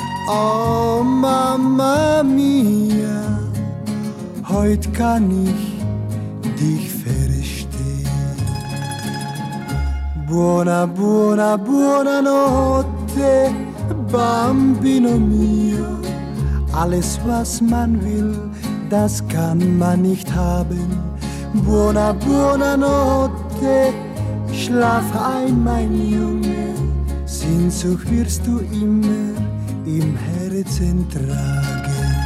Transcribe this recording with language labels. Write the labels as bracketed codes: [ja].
[de] Oh Mama mia, heut kann ich dich verstehen. [it] Buona, buona, buonanotte, bambino mio. [de] Alles was man will, das kann man nicht haben. [it] Buona, buonanotte, [de] schlaf ein, mein Junge. Sehnsucht wirst du immer im Herzen tragen.